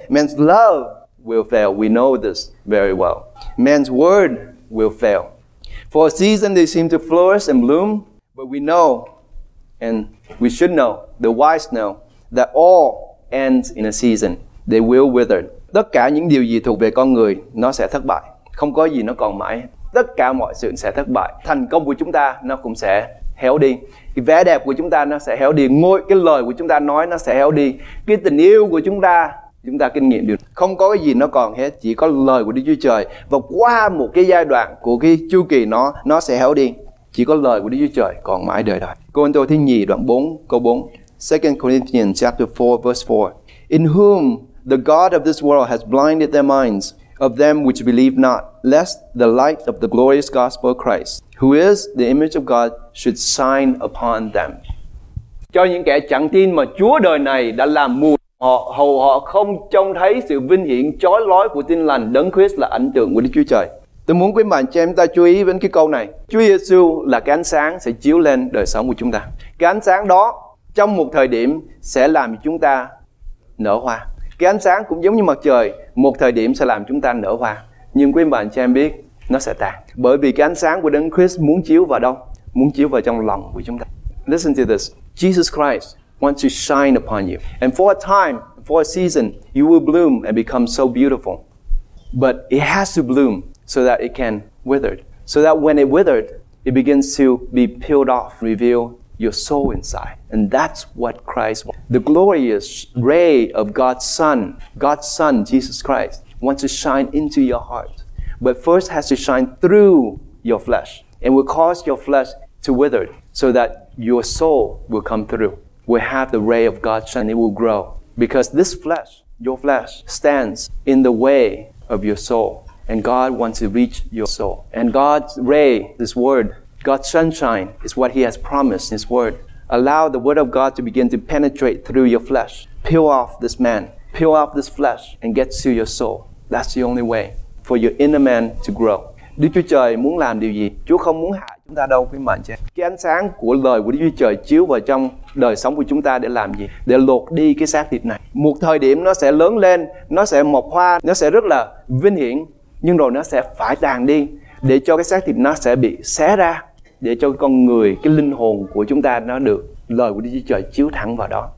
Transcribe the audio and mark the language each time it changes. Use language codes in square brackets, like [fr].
[en] Man's love will fail. We know this very well. Man's word will fail. For a season, they seem to flourish and bloom. But we know, and we should know, the wise know, that all ends in a season. They will wither. [vi] Tất cả những điều gì thuộc về con người, nó sẽ thất bại. Không có gì nó còn mãi. Tất cả mọi sự sẽ thất bại. Thành công của chúng ta, nó cũng sẽ héo đi. Cái vẻ đẹp của chúng ta, nó sẽ héo đi. Ngôi cái lời của chúng ta nói, nó sẽ héo đi. Cái tình yêu của chúng ta kinh nghiệm được. Không có cái gì nó còn hết, chỉ có lời của Đức Chúa Trời. Và qua một cái giai đoạn của cái chu kỳ nó sẽ héo đi. Chỉ có lời của Đức Chúa Trời còn mãi đời đời. Cô-rinh-tô thứ nhì đoạn 4, câu 4. [en] 2 Corinthians chapter 4, verse 4. In whom the God of this world has blinded their minds, of them which believe not, lest the light of the glorious gospel of Christ, who is the image of God, should shine upon them. [vi] Cho những kẻ chẳng tin mà Chúa đời này đã làm mù họ, hầu họ không trông thấy sự vinh hiển chói lói của tin lành, Đấng Christ là ảnh tượng của Đức Chúa Trời. Tôi muốn quý bạn cho em ta chú ý đến cái câu này. Chúa Giê-xu là cái ánh sáng sẽ chiếu lên đời sống của chúng ta. Cái ánh sáng đó trong một thời điểm sẽ làm chúng ta nở hoa. Cái ánh sáng cũng giống như mặt trời, một thời điểm sẽ làm chúng ta nở hoa. Nhưng quý bạn cho em biết, nó sẽ tàn. Bởi vì cái ánh sáng của Đấng Christ muốn chiếu vào đâu? Muốn chiếu vào trong lòng của chúng ta. [en] Listen to this. Jesus Christ wants to shine upon you. And for a time, for a season, you will bloom and become so beautiful. But it has to bloom so that it can wither. So that when it withered, it begins to be peeled off, reveal your soul inside. And that's what Christ wants. The glorious ray of God's Son, Jesus Christ, wants to shine into your heart. But first has to shine through your flesh and will cause your flesh to wither so that your soul will come through, will have the ray of God shine, it will grow. Because this flesh, your flesh, stands in the way of your soul. And God wants to reach your soul. And God's ray, this word, God's sunshine, is what He has promised, His word. Allow the word of God to begin to penetrate through your flesh. Peel off this man. Peel off this flesh and get to your soul. That's the only way for your inner man to grow. [vi] Đức Chúa Trời muốn làm điều gì? Chúa không muốn hại chúng ta đâu, quý mạng chứ. Cái ánh sáng của lời của Đức Chúa Trời chiếu vào trong đời sống của chúng ta để làm gì? Để lột đi cái xác thịt này. Một thời điểm nó sẽ lớn lên, nó sẽ mọc hoa, nó sẽ rất là vinh hiển. Nhưng rồi nó sẽ phải tàn đi để cho cái xác thịt nó sẽ bị xé ra, để cho con người, cái linh hồn của chúng ta nó được lời của Đức Chúa Trời chiếu thẳng vào đó.